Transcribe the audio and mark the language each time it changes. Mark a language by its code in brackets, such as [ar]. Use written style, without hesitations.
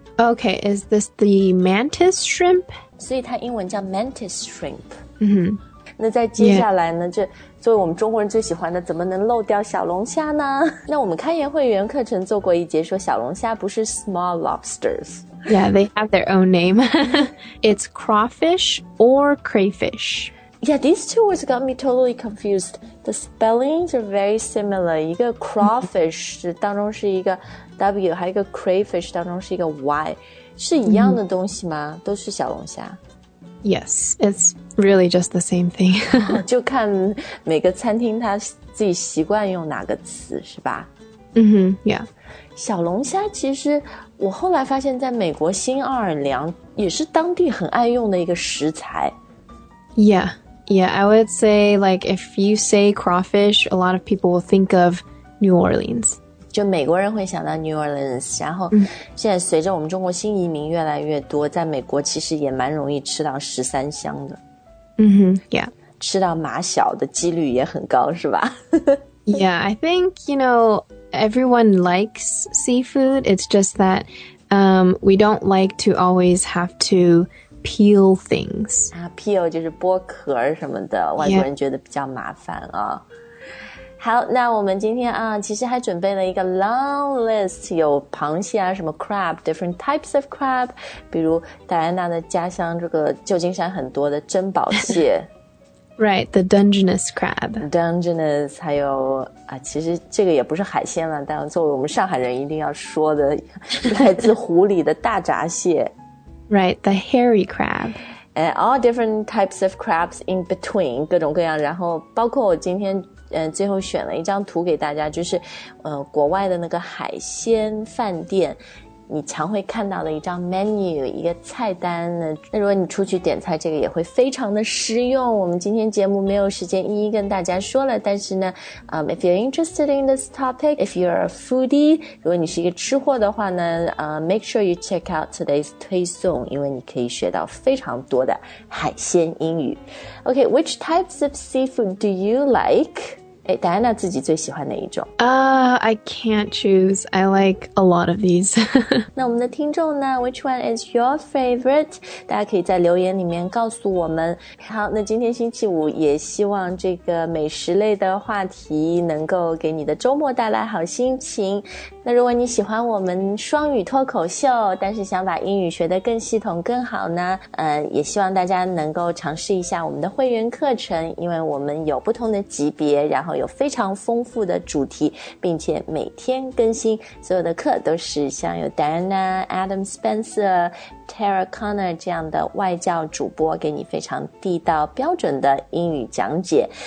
[en] okay is this the mantis shrimp [zh] 所以它英文叫 mantis shrimp 嗯哼那在接下来呢、yeah. 这作为我们中国人最喜欢的怎么能漏掉小龙虾呢那我们开言会员课程做过一节说小龙虾不是 small lobsters [en] Yeah, they have their own name It's crawfish or crayfish Yeah, these two words got me totally confused The spellings are very similar [zh] 一个 crawfish 当中是一个 W 还有一个 crayfish 当中是一个 Y 是一样的东西吗、 [en] mm-hmm. [zh] 都是小龙虾 [en] Yes, it's really just the same thing. [zh] 就看每个餐厅他自己习惯用哪个词是吧？嗯、mm-hmm, ，Yeah. 小龙虾其实我后来发现，在美国新奥尔良也是当地很爱用的一个食材。 [en] Yeah, yeah. I would say like if you say crawfish, a lot of people will think of New Orleans. [zh] 就美国人会想到 New Orleans， 然后现在随着我们中国新移民越来越多，在美国其实也蛮容易吃到十三香的。嗯哼 ，Yeah，吃到马小的几率也很高，是吧 [en] ？Yeah， I think you know everyone likes seafood. It's just that we don't like to always have to peel things. [zh] 啊 ，peel 就是剥壳什么的，外国人觉得比较麻烦啊。 [en] Yeah. [zh] 好那我们今天啊其实还准备了一个 long list, 有螃蟹啊什么 crab, [en] different types of crab, [zh] 比如戴安娜的家乡这个旧金山很多的珍宝蟹。 [en] Right, the Dungeness crab. [zh] Dungeness, 还有啊其实这个也不是海鲜了但作为我们上海人一定要说的来自湖里的大闸蟹。 [en] Right, the hairy crab. And all different types of crabs in between, [zh] 各种各样然后包括我今天最后选了一张图给大家，就是国外的那个海鲜饭店你常会看到的一张 menu 一个菜单呢。那如果你出去点菜，这个也会非常的实用。我们今天节目没有时间一一跟大家说了，但是呢 [en] if you're interested in this topic, if you're a foodie, [zh] 如果你是一个吃货的话呢 [en] make sure you check out today's [zh] 推送，因为你可以学到非常多的海鲜英语。 [en] OK, which types of seafood do you like? [zh] 哎，戴安娜自己最喜欢哪一种？ [en] I can't choose. I like a lot of these. [zh] 那我们的听众呢 [en] ？Which one is your favorite? [zh] 大家可以在留言里面告诉我们。好，那今天星期五，也希望这个美食类的话题能够给你的周末带来好心情。那如果你喜欢我们双语脱口秀，但是想把英语学得更系统更好呢，也希望大家能够尝试一下我们的会员课程，因为我们有不同的级别，然后有非常丰富的主题，并且每天更新，所有的课都是像有 Diana、Adam Spencer、Tara Connor 这样的外教主播给你非常地道标准的英语讲解。